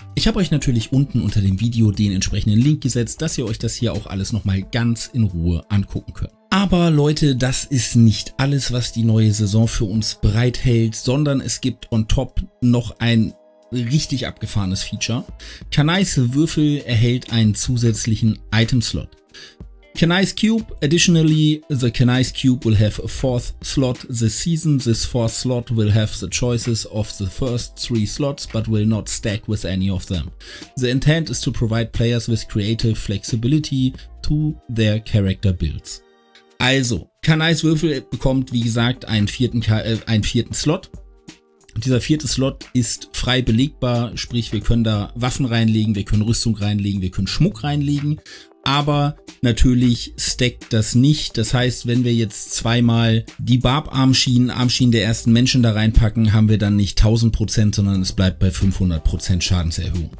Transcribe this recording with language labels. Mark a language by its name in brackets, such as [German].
[German] Ich habe euch natürlich unten unter dem Video den entsprechenden Link gesetzt, dass ihr euch das hier auch alles nochmal ganz in Ruhe angucken könnt. Aber Leute, das ist nicht alles, was die neue Saison für uns bereithält, sondern es gibt on top noch ein richtig abgefahrenes Feature. Kanais Würfel erhält einen zusätzlichen Item-Slot. [English] Kanais Cube, additionally, the Kanais Cube will have a fourth slot this season. This fourth slot will have the choices of the first three slots, but will not stack with any of them. The intent is to provide players with creative flexibility to their character builds. [German] Also, Kanais Würfel bekommt, wie gesagt, einen vierten Slot. Dieser vierte Slot ist frei belegbar, sprich, wir können da Waffen reinlegen, wir können Rüstung reinlegen, wir können Schmuck reinlegen. Aber natürlich stackt das nicht. Das heißt, wenn wir jetzt zweimal die Barb-Armschienen der ersten Menschen da reinpacken, haben wir dann nicht 1000%, sondern es bleibt bei 500% Schadenserhöhung.